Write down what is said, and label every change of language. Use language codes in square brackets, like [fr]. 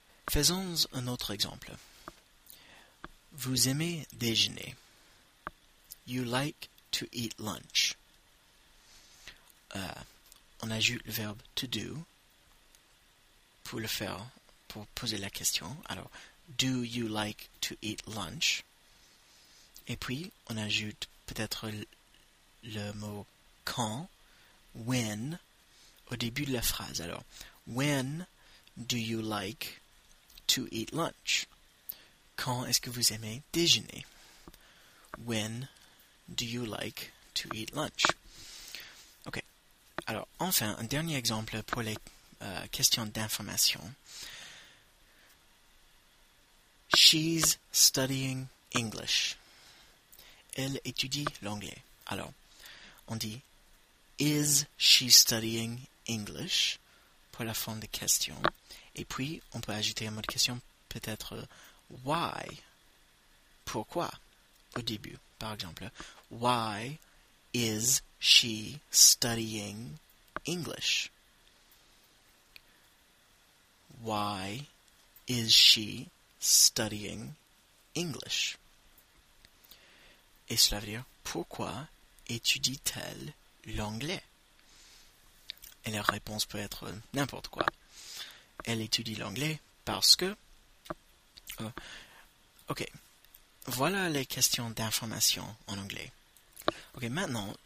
[fr] Faisons un autre exemple. Vous aimez déjeuner. [en] You like to eat lunch. [fr] On ajoute le verbe to do pour le faire, pour poser la question. [en] Alors, do you like to eat lunch? [fr] Et puis, on ajoute peut-être le mot quand, when, au début de la phrase. [en] Alors, when do you like to eat lunch? [fr] Quand est-ce que vous aimez déjeuner? [en] When do you like to eat lunch? [fr] Alors, enfin, un dernier exemple pour les questions d'information. [en] She's studying English. [fr] Elle étudie l'anglais. Alors, on dit, [en] is she studying English? [fr] Pour la forme de question. Et puis, on peut ajouter un mot de question, peut-être, why? Pourquoi? Au début, par exemple. [en] Why is she studying English? Why is she studying English? [fr] Et cela veut dire pourquoi étudie-t-elle l'anglais? Et la réponse peut être n'importe quoi. Elle étudie l'anglais parce que. Ok. Voilà les questions d'information en anglais. Ok, maintenant.